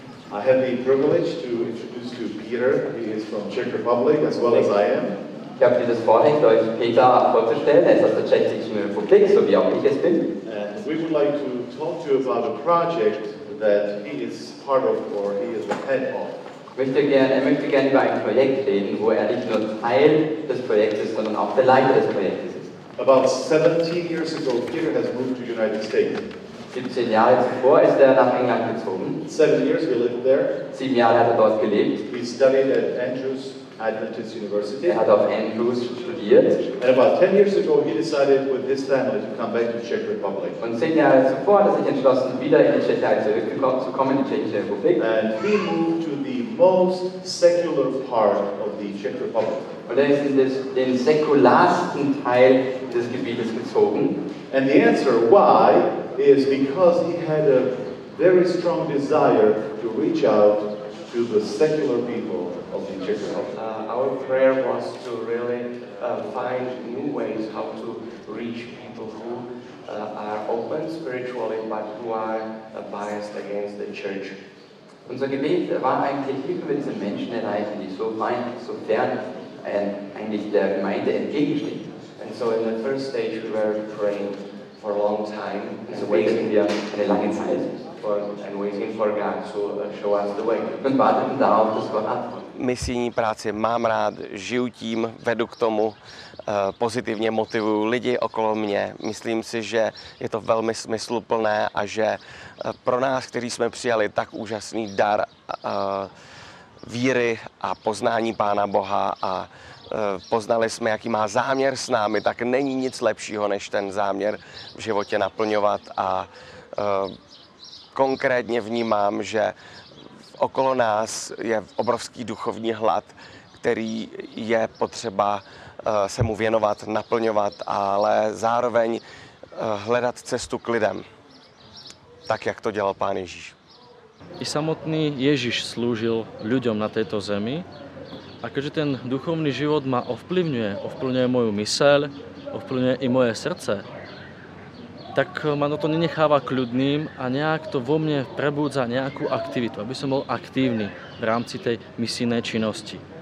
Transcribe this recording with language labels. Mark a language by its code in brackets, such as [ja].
[en] I have the privilege to introduce to Peter. He is from Czech Republic as well as I am. [de] Ich habe dieses Vorrecht, euch Peter vorzustellen. Er ist aus der Tschechischen Republik, so wie auch ich es bin. [en] And we would like to talk to you about a project that he is part of or he is the head of. [de] Ich möchte gerne über ein Projekt reden, wo nicht nur Teil des Projektes, sondern auch der Leiter des Projektes ist. [en] About 17 years ago, Peter has moved to the United States. [de] 17 Jahre zuvor ist er nach England gezogen. [en] 7 years we lived there. [de] 7 Jahre hat er dort gelebt. [en] He studied at Andrews Adventist University. [de] Er hat auf Andrews studiert. [en] And about 10 years ago he decided with his family to come back to Czech Republic. [de] Und 10 Jahre zuvor hat er sich entschlossen, wieder in die Tschechei zurückgekommen zu kommen, in die Tschechische Republik. [en] And he moved to the most secular part of the Czech Republic. [de] Und er ist in den säkularsten Teil des Gebietes gezogen. [en] And the answer why is because he had a very strong desire to reach out to the secular people of the Czech Republic. Our prayer was to really find new ways how to reach people who are open spiritually but who are biased against the church. [de] Unser Gebet war eigentlich, wie können wir diese Menschen erreichen, die so weit, so fern eigentlich der Gemeinde entgegenstehen. [en] And so in the first stage we were praying for a long time and waiting [de] eine lange Zeit [en] and waiting for God to show us the way. [de] Und warteten darauf, dass Gott antwortet. [cs] Misijní práci mám rád, žiju tím, vedu k tomu, pozitivně motivuju lidi okolo mě. Myslím si, že je to velmi smysluplné a že pro nás, kteří jsme přijali tak úžasný dar víry a poznání Pána Boha a poznali jsme, jaký má záměr s námi, tak není nic lepšího, než ten záměr v životě naplňovat. A konkrétně vnímám, že okolo nás je obrovský duchovní hlad, který je potřeba se mu věnovat, naplňovat, ale zároveň hledat cestu k lidem, tak jak to dělal Pán Ježíš. I samotný Ježíš sloužil lidem na této zemi, [sk] a keďže ten duchovný život ma ovplyvňuje, ovplyvňuje moju myseľ, ovplyvňuje i moje srdce, tak ma to nenecháva kľudným a nejak to vo mne prebúdza nejakú aktivitu, aby som bol aktívny v rámci tej misijnej činnosti.